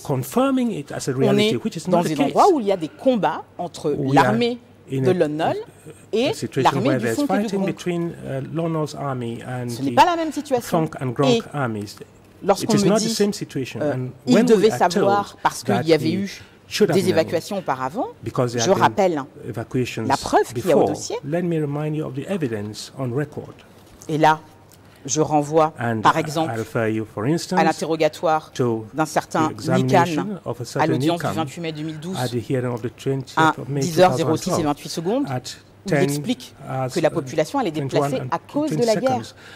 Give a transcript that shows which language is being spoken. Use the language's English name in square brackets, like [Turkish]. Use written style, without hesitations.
[English] Confirming it as a reality, which is not [French] dans un endroit où il y a des combats entre l'armée de Lonnol et l'armée du Fonk et de Gronk. [English] Army and [French] ce n'est pas la même situation. [English] And Gronk et armies, [French] lorsqu'on me dit qu'il devait savoir parce qu'il y avait eu des évacuations auparavant, je rappelle la preuve qu'il y a au dossier. [English] Let me remind you of the evidence on record. [French] Et là, je renvoie, par exemple, à l'interrogatoire d'un certain Nikan à l'audience du 28 mai 2012 à 10h06 et 28 secondes. Où il explique que la population allait déplacer à cause de la guerre.